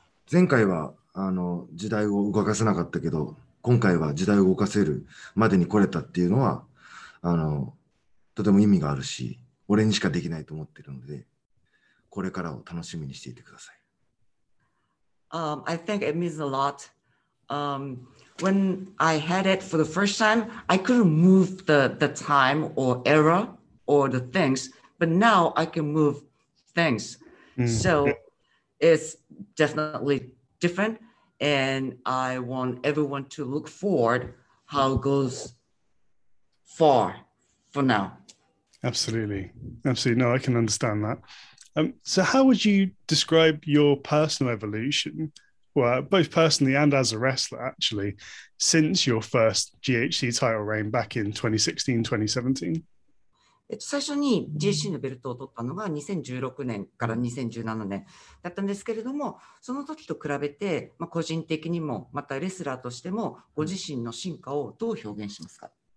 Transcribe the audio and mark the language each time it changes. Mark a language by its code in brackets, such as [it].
[ja] 前回は時代を動かせなかったけど、今回は時代を動かせるまでに来れたっていうのは、とても意味があるし、俺にしかできないと思ってるので、これからを楽しみにしていてください。 [en] I think it means a lot. When I had it for the first time, I couldn't move the time or era or the things, but now I can move things. So it's definitely different, and I want everyone to look forward how it goes far for now. Absolutely. Absolutely. No, I can understand that. So how would you describe your personal evolution, well, both personally and as a wrestler, actually, since your first GHC title reign back in 2016-2017? [ja] 最初に GHC のベルトを取ったのが2016年から2017年だったんですけれども、その時と比べて、まあ、個人的にも、またレスラーとしても、ご自身の進化をどう表現しますか?